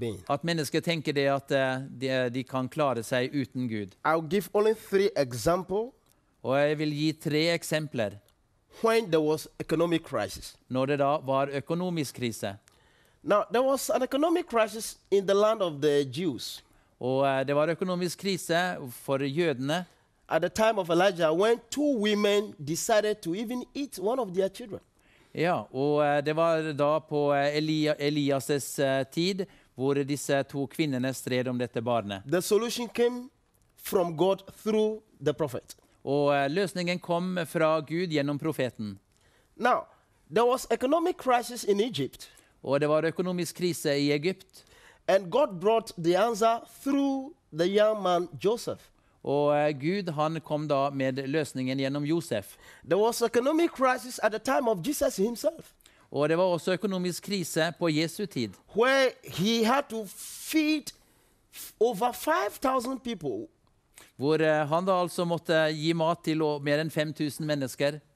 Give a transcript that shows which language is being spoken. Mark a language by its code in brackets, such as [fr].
[no] At mennesker tenker det at de kan klare seg uten Gud. [en] I'll give only three examples. [no] Og jeg vil gi tre eksempler. [en] When there was economic crisis. [no] Når det da var økonomisk krise. [en] Now there was an economic crisis in the land of the Jews. [no] Og det var økonomisk krise for jødene. [en] At the time of Elijah, when two women decided to even eat one of their children. [no] Ja, og det var da på Elias' tid, hvor disse to kvinnene stred om dette barnet. [en] The solution came from God through the prophet. [no] Og løsningen kom fra Gud gjennom profeten. [en] Now, there was economic crisis in Egypt. [no] Og det var økonomisk krise i Egypt. [en] And God brought the answer through the young man Joseph. [no] Og Gud han kom da med løsningen gjennom Josef. [en] There was economic crisis at the time of Jesus himself. [no] Og det var også økonomisk krise på Jesu tid. [en] Where he had to feed over 5,000 people. [no] Hvor han da altså måtte gi mat til mer enn 5,000 mennesker.